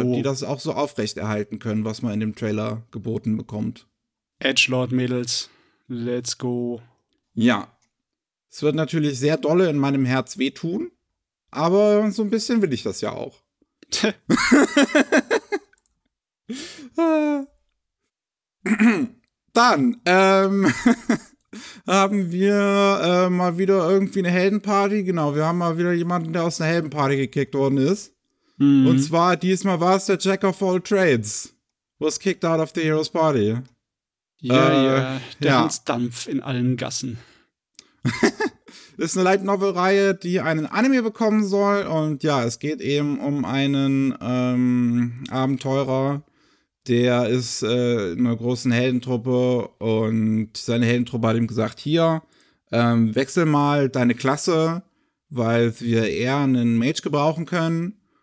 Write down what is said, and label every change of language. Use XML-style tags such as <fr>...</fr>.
<de>ob die das auch so aufrechterhalten können, was man in dem Trailer geboten bekommt. Edgelord-Mädels,</de> <en>let's go.</en> <de>Ja, es wird natürlich sehr dolle in meinem Herz wehtun, aber so ein bisschen will ich das ja auch. Dann haben wir mal wieder irgendwie eine Heldenparty. Genau, wir haben mal wieder jemanden, der aus einer Heldenparty gekickt worden ist. Mhm. Und zwar diesmal war es der Jack of all Trades.</de> <en>Was kicked out of the Heroes Party.</en> <de>Ja, der Hansdampf in allen Gassen. Ist eine Light Novel Reihe, die einen Anime bekommen soll. Und ja, es geht eben um einen Abenteurer. Der ist in einer großen Heldentruppe und seine Heldentruppe hat ihm gesagt, hier, wechsel mal deine Klasse, weil wir eher einen Mage gebrauchen können.</de>